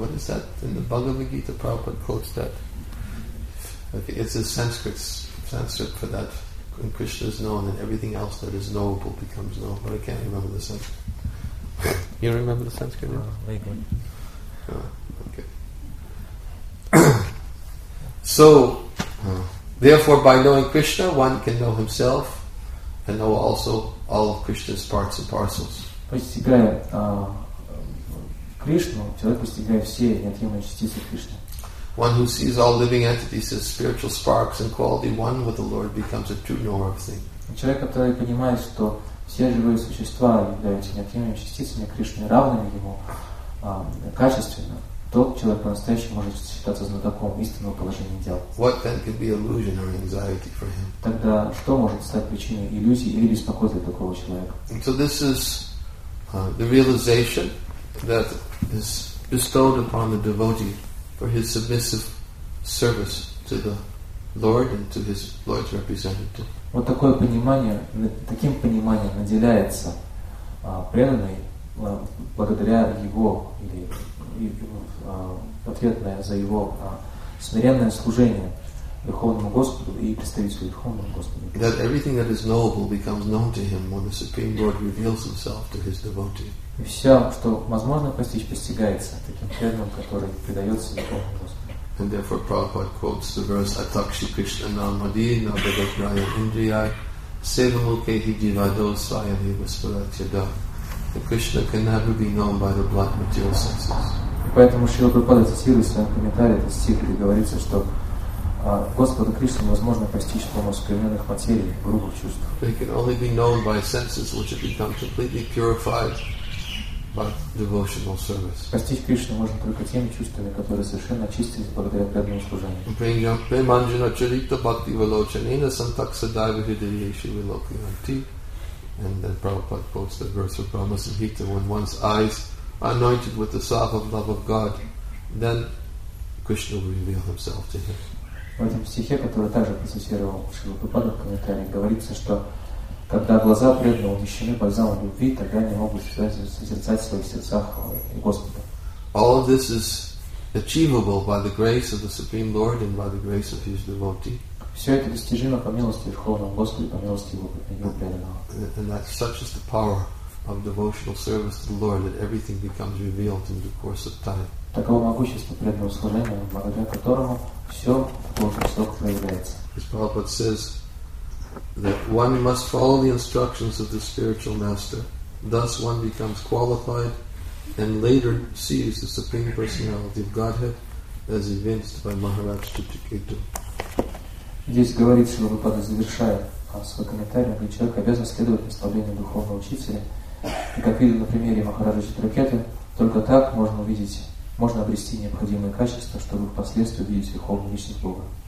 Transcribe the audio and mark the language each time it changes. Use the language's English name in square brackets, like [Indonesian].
[English] What is that? In the Bhagavad Gita, Prabhupada quotes that. Okay, it's a Sanskrit Sanskrit for that. When Krishna is known, then everything else that is knowable becomes known. But I can't remember the Sanskrit. You remember the Sanskrit? Very good. Okay. Therefore, by knowing Krishna, one can know himself and know also all of Krishna's parts and parcels. One who sees all living entities as spiritual sparks and quality one with the Lord becomes a true knower of things. [Russian] Человек, который понимает, что все живые существа являются неотъемлемыми частицами Кришны, равными ему качественно, тот человек по-настоящему может считаться знатоком истинного положения дел. [English] What then could be illusion or anxiety for him? [Russian] Тогда что может стать причиной иллюзии или беспокойства такого человека? [English] And so this is the realization that is bestowed upon the devotee for his submissive service to the Lord and to his Lord's representative. [Russian] Вот такое понимание, таким пониманием наделяется преданный благодаря его или ответное за его смиренное служение Верховному Господу и представителю Верховного Господа. [English] That everything that is knowable becomes known to him when the Supreme Lord reveals himself to his devotee. [Russian] И все, что возможно постичь, постигается таким преданным, который предается Верховному Господу. [English] And therefore Prabhupada quotes the verse [Sanskrit] Atakshi Krishna Namadi Nabhagraya Indriyai Sevamukehi Jivado Svayami Vasparachada. [English] That Krishna can never be known by the blood material senses. [Russian] Поэтому Шрила Прабхупада цитирует в своем комментарии этот стих, где говорится, что Господа Кришну невозможно постичь с помощью скверных материй, грубых чувств. [English] They can only be known by senses which have become completely purified by devotional service. [Russian] Постичь Кришну можно только теми чувствами, которые совершенно очистились благодаря преданному служению. [Sanskrit] Prema premanjana charita bhakti valochanena santaksa daiva hidriyeshu vilokyanti. [English] And then Prabhupada quotes the verse of Brahma Samhita, when one's eyes are anointed with the salve of love of God, then Krishna will reveal himself to him. [Russian] В этом стихе, который также процитировал Шрила Прабхупада в комментариях, говорится, что когда глаза преданного умещены бальзамом любви, тогда они могут созерцать в своих сердцах Господа. [English] All of this is achievable by the grace of the Supreme Lord and by the grace of His devotee. [Russian] Все это достижимо по милости Верховного Господа и по милости Его преданного. [English] And that such is the power of devotional service to the Lord that everything becomes revealed in the course of time. [Russian] Таково могущество преданного служения, благодаря которому все в должный срок проявляется. [English] As Prabhupada says, that one must follow the instructions of the spiritual master. Thus one becomes qualified and later sees the Supreme Personality of Godhead as evinced by Maharaj Chittakirtan. [Russian] Здесь говорит Шрила Прабхупада, завершая свой комментарий, что человек обязан следовать наставлению духовного учителя. И как видно на примере Махараджа Читракеты, только так можно увидеть, можно обрести необходимые качества, чтобы впоследствии увидеть Верховную Личность Бога.